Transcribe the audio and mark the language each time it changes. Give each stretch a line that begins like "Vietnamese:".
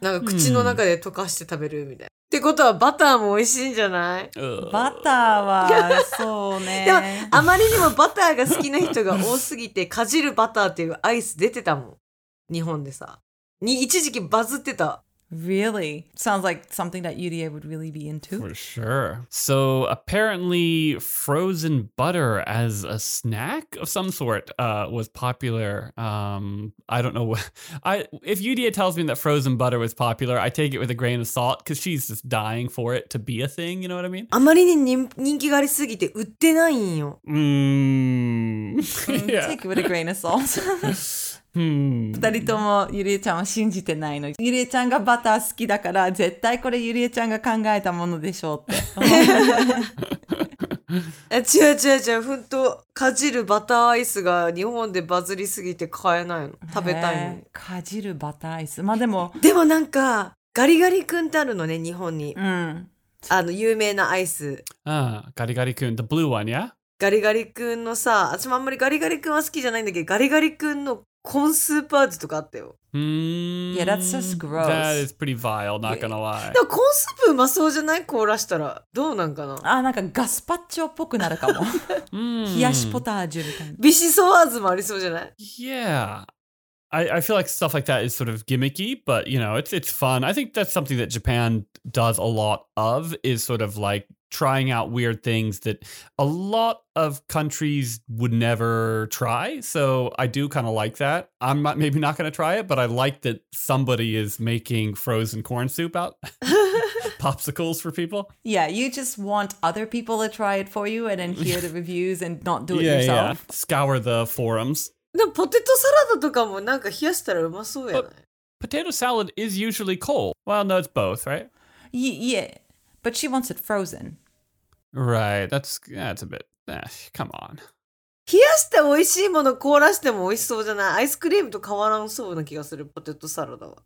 Japanese: なんか口の中で溶かして食べるみたいな、うん、ってことはバターも美味しいんじゃない？バターはそうねでもあまりにもバターが好きな人が多すぎてかじるバターっていうアイス出てたもん日本でさに一時期バズってた。
English: Really? Sounds like something that UDA would really be into. For sure. So apparently frozen butter as a snack of some sort was popular. I don't know. If UDA tells me that frozen butter was popular, I take it with a grain of salt because she's just dying for it to be a thing. You know what I mean?
Japanese: あまりに人気がありすぎて売ってないんよ。 Mm.
English: Yeah. Take it with a grain of salt.
Japanese: 二人ともゆりえちゃんは信じてないの。ゆりえちゃんがバター好きだから絶対これゆりえちゃんが考えたものでしょうって違う本当かじるバターアイスが日本でバズりすぎて買えないの食べたいの、かじるバターアイス、まあ、でもでもなんかガリガリ君ってあるのね日本に、うん、あの有名なアイス、ああガリガリ君
English: the blue one yeah。
Japanese: ガリガリ君のさ私もあんまりガリガリ君は好きじゃないんだけどガリガリ君のコーンスープ味とかあったよ。
English: Yeah, that's just gross. That is pretty vile, not gonna lie.
Japanese: でもコーンスープうまそうじゃない？凍らしたら。どうなんかな？あ、なんかガスパッチョっぽくなるかも。冷やしポタージュみたいな。ビシソワーズもありそうじゃない？
English: Yeah. I feel like stuff like that is sort of gimmicky, but you know, it's fun. I think that's something that Japan does a lot of, is sort of like trying out weird things that a lot of countries would never try. So I do kind of like that. I'm not, maybe not going to try it, but I like that somebody is making frozen corn soup out popsicles for people. Yeah, you just want other people to try it for you and then hear the reviews and not do it yourself. Yeah. Scour the forums.
Japanese: でもポテトサラダとかもなんか冷やしたらうまそうやない？
English: Potato salad is usually cold. Well, no, it's both, right? Yeah. But she wants it frozen. Right. That's a bit... come on.
Japanese: 冷やして美味しいもの凍らしても美味しそうじゃない？アイスクリームと変わらんそうな気がするポテトサラダは。